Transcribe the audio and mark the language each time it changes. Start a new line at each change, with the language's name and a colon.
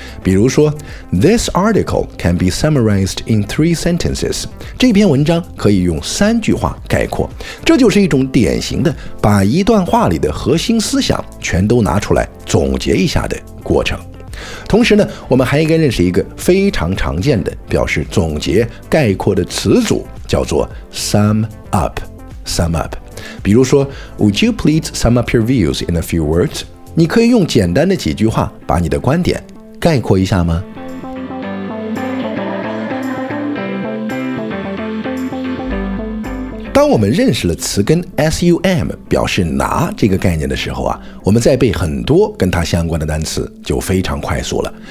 Chinese: 比如说
English: This article can be summarized in 3 sentences，
Chinese: 这篇文章可以用三句话概括。这就是一种典型的把一段话里的核心思想全都拿出来总结一下的过程。同时呢，我们还应该认识一个非常常见的表示总结概括的词组，叫做 sum up。
English: sum up，
Chinese: 比如说
English: Would you please sum up your views in a few words？
Chinese: 你可以用简单的几句话把你的观点概括一下吗？当我们认识了词根 sum 表示拿这个概念的时候啊，我们再背很多跟它相关的单词就非常快速了。